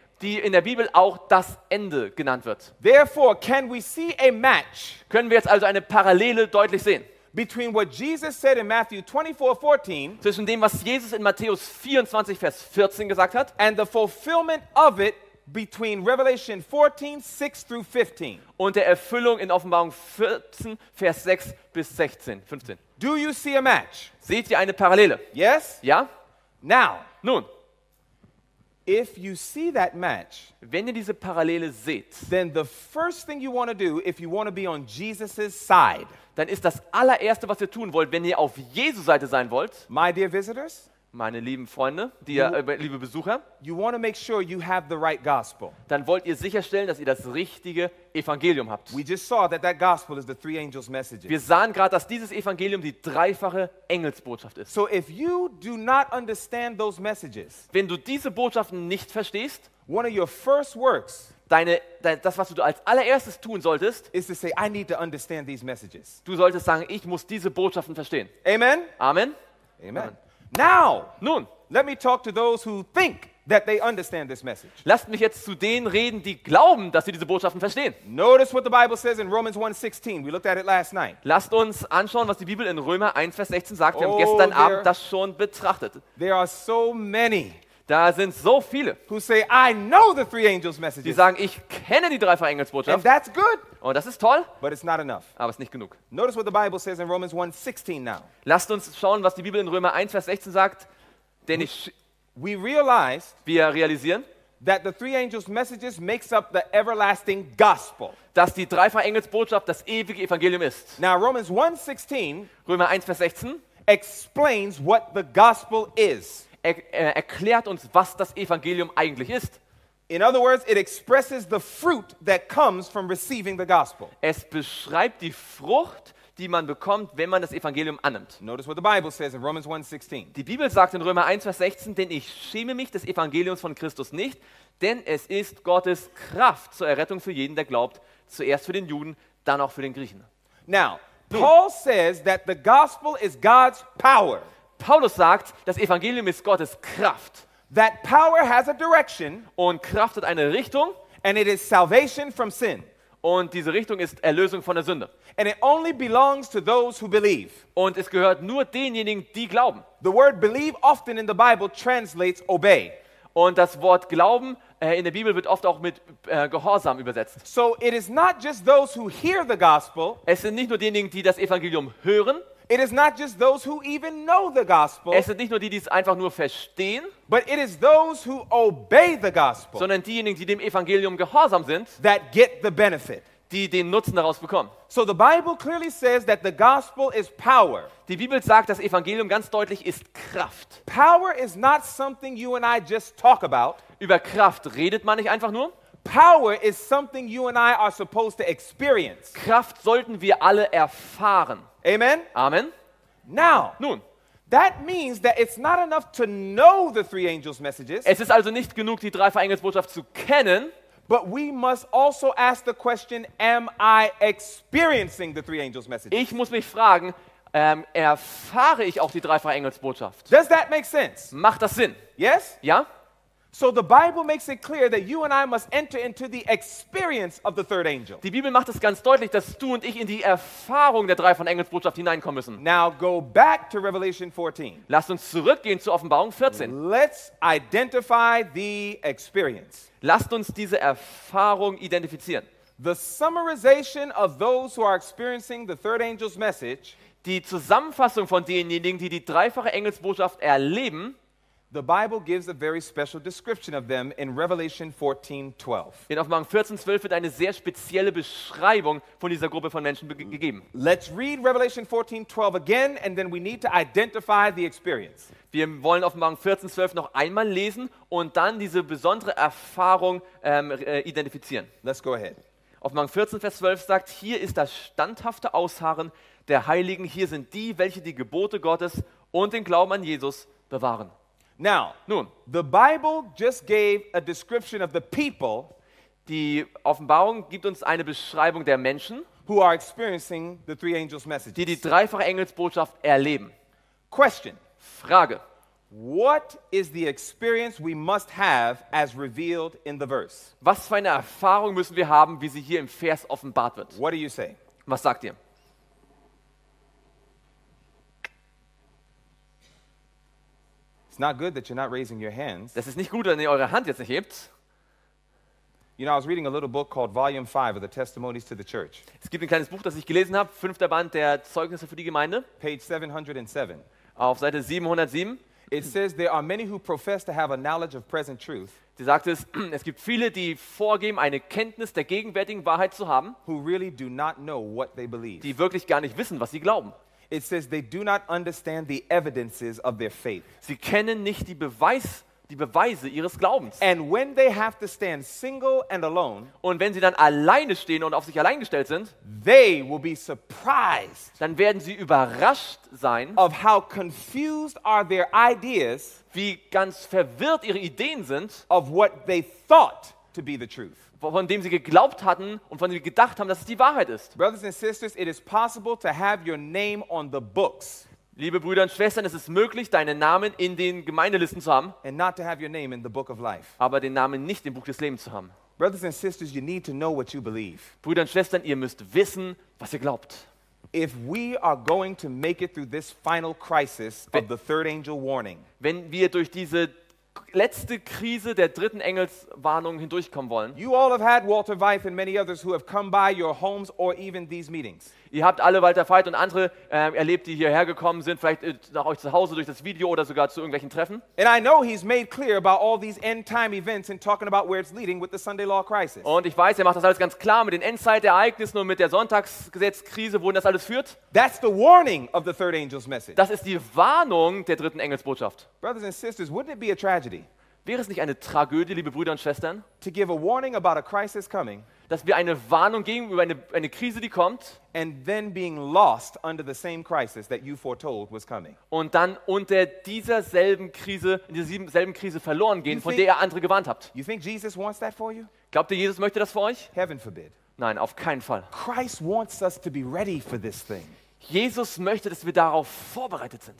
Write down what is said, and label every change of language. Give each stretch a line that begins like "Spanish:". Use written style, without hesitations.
German: die in der Bibel auch das Ende genannt wird.
English: Therefore, can we see a match?
German: Können wir jetzt also eine Parallele deutlich sehen?
English: Between what Jesus said in Matthew 24:14,
German: zwischen dem, was Jesus in Matthäus 24 Vers 14 gesagt hat,
English: and the fulfillment of it between Revelation 14:6 through 15,
German: und der Erfüllung in Offenbarung 14 Vers 6 bis 16, 15.
English: Do you see a match?
German: Seht ihr eine Parallele?
English: Yes.
German: Ja.
English: Now.
German: Nun.
English: If you see that match,
German: wenn ihr diese Parallele seht,
English: then the first thing you want to do if you want to be on Jesus's side,
German: dann ist das allererste, was ihr tun wollt, wenn ihr auf Jesu Seite sein wollt,
English: my dear visitors,
German: meine lieben Freunde, die liebe Besucher,
English: you want to make sure you have the right gospel.
German: Dann wollt ihr sicherstellen, dass ihr das richtige Evangelium habt.
English: We just saw that that gospel is the three angels' messages.
German: Wir sahen gerade, dass dieses Evangelium die dreifache Engelsbotschaft ist.
English: So if you do not understand those messages,
German: wenn du diese Botschaften nicht verstehst,
English: one of your first works,
German: das, was du als allererstes tun solltest,
English: is to say, I need to understand these messages.
German: Du solltest sagen, ich muss diese Botschaften verstehen.
English: Amen.
German: Amen.
English: Amen. Amen. Now,
German: nun,
English: let me talk to those who think that they understand this message.
German: Lasst mich jetzt zu denen reden, die glauben, dass sie diese Botschaften verstehen.
English: Notice what the Bible says in Romans 1:16. We looked at it last night.
German: Lasst uns anschauen, was die Bibel in Römer 1, Vers 16 sagt. Wir haben gestern Abend das schon betrachtet.
English: There are so many.
German: Da sind so viele,
English: who say, I know the three angels' messages.
German: Die sagen, ich kenne die dreifache Engelsbotschaft.
English: And that's good.
German: Und das ist toll.
English: But it's not enough.
German: Aber es ist nicht genug.
English: Notice what the Bible says in Romans 1:16 now.
German: Lasst uns schauen, was die Bibel in Römer 1, Vers 16 sagt. Denn wir realisieren,
English: that the three angels' messages makes up the everlasting gospel.
German: Dass die dreifache Engelsbotschaft das ewige Evangelium ist.
English: Now Romans 1:16,
German: Römer 1, Vers 16,
English: explains what the gospel is.
German: Erklärt uns, was das Evangelium eigentlich ist.
English: In other words, it expresses the fruit that comes from receiving the gospel.
German: Es beschreibt die Frucht, die man bekommt, wenn man das Evangelium annimmt.
English: Notice what the Bible says in Romans 1:16.
German: Die Bibel sagt in Römer 1, Vers 16, denn ich schäme mich des Evangeliums von Christus nicht, denn es ist Gottes Kraft zur Errettung für jeden, der glaubt, zuerst für den Juden, dann auch für den Griechen.
English: Now, Paul says that the gospel is God's power.
German: Paulus sagt, das Evangelium ist Gottes Kraft.
English: That power has a direction,
German: und Kraft hat eine Richtung,
English: and it is salvation from sin.
German: Und diese Richtung ist Erlösung von der Sünde.
English: And it only belongs to those who believe.
German: Und es gehört nur denjenigen, die glauben.
English: The word believe often in the Bible translates obey.
German: Und das Wort glauben in der Bibel wird oft auch mit Gehorsam übersetzt.
English: So it is not just those who hear the gospel.
German: Es sind nicht nur diejenigen, die das Evangelium hören.
English: It is not just those who even know the gospel.
German: Es sind nicht nur die, die es einfach nur verstehen,
English: but it is those who obey the gospel.
German: Sondern diejenigen, die dem Evangelium gehorsam sind,
English: that get the benefit.
German: Die den Nutzen daraus bekommen.
English: So the Bible clearly says that the gospel is power.
German: Die Bibel sagt, das Evangelium ganz deutlich ist Kraft.
English: Power is not something you and I just talk about.
German: Über Kraft redet man nicht einfach nur.
English: Power is something you and I are supposed to experience.
German: Kraft sollten wir alle erfahren.
English: Amen.
German: Amen.
English: Now,
German: nun,
English: that means that it's not enough to know the three angels' messages.
German: Es ist also nicht genug, die dreifache Engelsbotschaft zu kennen.
English: But we must also ask the question: Am I experiencing the three angels' messages?
German: Ich muss mich fragen: Erfahre ich auch die dreifache Engelsbotschaft?
English: Does that make sense?
German: Macht das Sinn?
English: Yes.
German: Ja.
English: So the Bible makes it clear that you and I must enter into the experience of the third angel.
German: Die Bibel macht es ganz deutlich, dass du und ich in die Erfahrung der dreifachen Engelsbotschaft hineinkommen müssen.
English: Now go back to Revelation 14.
German: Lass uns zurückgehen zu Offenbarung 14.
English: Let's identify the experience.
German: Lasst uns diese Erfahrung identifizieren.
English: The summarization of those who are experiencing the third angel's message.
German: Die Zusammenfassung von denjenigen, die die dreifache Engelsbotschaft erleben.
English: The Bible gives a very special description of them in Revelation 14:12.
German: In Offenbarung 14:12 wird eine sehr spezielle Beschreibung von dieser Gruppe von Menschen gegeben.
English: Let's read Revelation 14:12 again and then we need to identify the experience.
German: Wir wollen Offenbarung 14:12 noch einmal lesen und dann diese besondere Erfahrung identifizieren.
English: Let's go ahead.
German: Offenbarung 14 Vers 12 sagt: Hier ist das standhafte Ausharren der Heiligen, hier sind die, welche die Gebote Gottes und den Glauben an Jesus bewahren.
English: Now,
German: nun,
English: the Bible just gave a description of the people.
German: Die Offenbarung gibt uns eine Beschreibung der Menschen,
English: who are experiencing the three angels' messages.
German: Die dreifache Engelsbotschaft erleben.
English: Question.
German: Frage.
English: What is the experience we must have as revealed in the verse?
German: Was für eine Erfahrung müssen wir haben, wie sie hier im Vers offenbart wird?
English: What do you say?
German: Was sagt ihr?
English: It's not good that you're not raising your hands.
German: Das ist nicht gut, wenn ihr eure Hand jetzt nicht hebt.
English: You know, I was reading a little book called Volume 5 of the Testimonies to the Church.
German: Es gibt ein kleines Buch, das ich gelesen habe, fünfter Band der Zeugnisse für die Gemeinde.
English: Page 707.
German: Auf Seite 707.
English: It says there are many who profess to have a knowledge of present truth.
German: Sie sagt es gibt viele, die vorgeben, eine Kenntnis der gegenwärtigen Wahrheit zu haben,
English: who really do not know what they believe.
German: Die wirklich gar nicht wissen, was sie glauben.
English: It says they do not understand the evidences of their faith.
German: Sie kennen nicht die Beweise ihres Glaubens.
English: And when they have to stand single and alone,
German: und wenn sie dann alleine stehen und auf sich allein gestellt sind,
English: they will be surprised,
German: dann werden sie überrascht sein,
English: of how confused are their ideas,
German: wie ganz verwirrt ihre Ideen sind,
English: of what they thought to be the truth.
German: Von dem sie geglaubt hatten und von dem sie gedacht haben, dass es die Wahrheit ist.
English: Brothers and sisters, it is possible to have your name on the books.
German: Liebe Brüder und Schwestern, es ist möglich, deinen Namen in den Gemeindelisten zu haben,
English: and not to have your name in the book of life.
German: Aber den Namen nicht im Buch des Lebens zu haben.
English: Brothers and sisters, you need to know what you believe.
German: Brüder und Schwestern, ihr müsst wissen, was ihr glaubt.
English: If we are going to make it through this final crisis of the third angel warning,
German: wenn wir durch diese letzte Krise der dritten Engelswarnung hindurchkommen wollen.
English: You all have had Walter Veith and many others who have come by your homes or even these meetings.
German: Ihr habt alle Walter Veith und andere erlebt, die hierher gekommen sind, vielleicht nach euch zu Hause durch das Video oder sogar zu irgendwelchen Treffen.
English: And I know he's made clear about all these end time events and talking about where it's leading with the Sunday law crisis.
German: Und ich weiß, er macht das alles ganz klar mit den Endzeitereignissen und mit der Sonntagsgesetzkrise, wohin das alles führt.
English: That's the warning of the third angel's message.
German: Das ist die Warnung der dritten Engelsbotschaft.
English: Brothers and sisters, wouldn't it be a tragedy?
German: Wäre es nicht eine Tragödie, liebe Brüder und Schwestern,
English: to give a warning about a crisis coming,
German: dass wir eine Warnung geben über eine Krise, die kommt,
English: and then being lost under the same crisis that you foretold was coming,
German: und dann unter dieser selben Krise, in dieser selben Krise verloren gehen, von der ihr andere gewarnt habt?
English: You think Jesus wants that for you?
German: Glaubt ihr, Jesus möchte das für euch?
English: Heaven forbid.
German: Nein, auf keinen Fall.
English: Christ wants us to be ready for this thing.
German: Jesus möchte, dass wir darauf vorbereitet sind.